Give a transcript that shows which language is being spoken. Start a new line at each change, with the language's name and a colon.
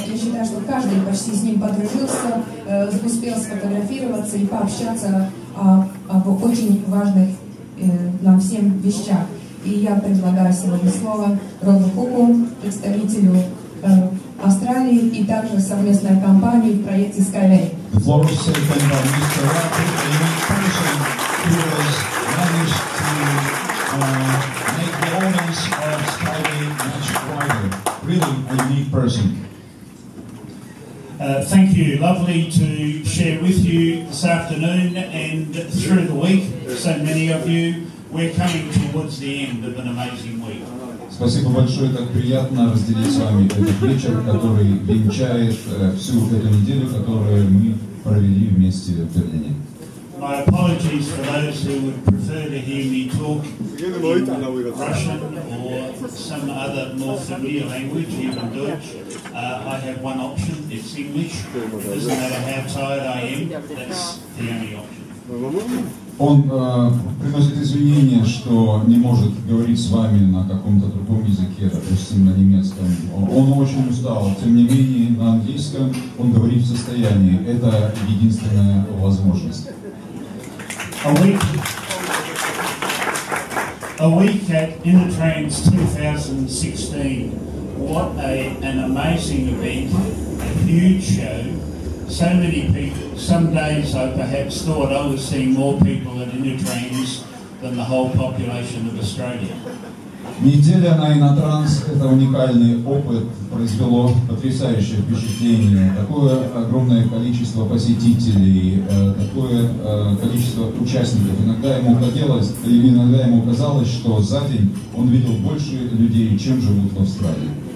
Russian: Я считаю, что каждый почти с ним подружился, успел сфотографироваться и пообщаться об очень важных нам всем вещах. И я предлагаю сегодня слово Роду Куку, представителю Австралии и также совместной компании в проекте Skyway.
English: The floor is taken by Mr. Rapid, a young person who has managed to make the owners of Skyway much brighter. Really a unique person. Thank you. Lovely to share with you this afternoon and through the week. So many of you, we're coming towards the end of an amazing week.
Russian: Спасибо большое, так приятно разделить с вами этот вечер, который венчает всю эту неделю, которую мы провели вместе в Берлине.
English: My apologies for those who would prefer to hear me talk in Russian or some other more familiar language, even Deutsch. I have one option, it's English. Doesn't matter how tired I am, that's the only option.
Russian: Он приносит извинения, что не может говорить с вами на каком-то другом языке, допустим, на немецком. Он очень устал, тем не менее, на английском он говорит в состоянии. Это единственная возможность.
English: A week at InnoTrans 2016. What an amazing event, a huge show. So many people, some days I perhaps thought I was seeing more people at InnoTrans than the whole population of Australia.
Russian: Неделя на Инотранс – это уникальный опыт, произвело потрясающее впечатление. Такое огромное количество посетителей, такое количество участников. Иногда ему хотелось, или иногда ему казалось, что за день он видел больше людей, чем живут в Австралии.